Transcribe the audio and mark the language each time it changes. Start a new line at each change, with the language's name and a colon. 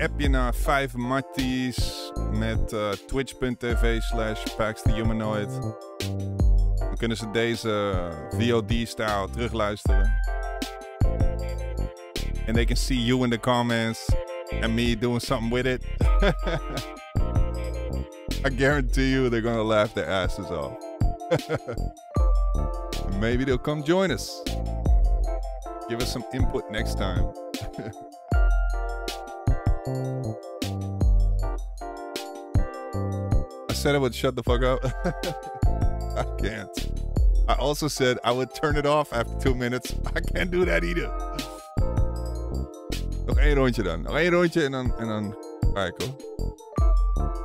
Dutch: Naar 5 Matties met twitch.tv/PaxTheHumanoid. Dan kunnen ze deze VOD-stijl terugluisteren.
English: And they can see you in the comments and me doing something with it. I guarantee you they're gonna laugh their asses off. Maybe they'll come join us. Give us some input next time. I said I would shut the fuck up. I can't. I also said I would turn it off after 2 minutes. I can't do that either.
Dutch: Nog één rondje dan. Nog één rondje en dan ga ik hoor.